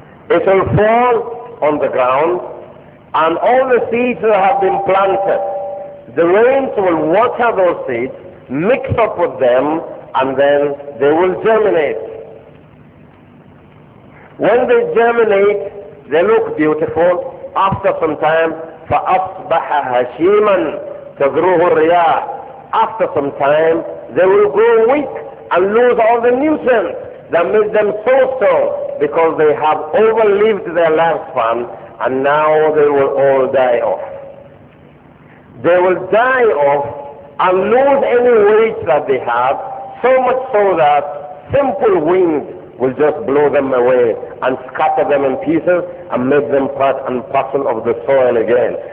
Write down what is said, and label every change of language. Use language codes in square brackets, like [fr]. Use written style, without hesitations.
[en] It will fall on the ground, and all the seeds that have been planted, the rains will water those seeds, mix up with them, and then they will germinate. When they germinate, they look beautiful. After some time, [ar] فَأَصْبَحَ هَشِيمًا تَذْرُوهُ الرِّيَاحُ. [en] After some time, they will grow weak and lose all the nutrients that made them so strong, because they have overlived their lifespan, and now they will all die off. They will die off and lose any weight that they have, so much so that simple wind will just blow them away and scatter them in pieces and make them part and parcel of the soil again.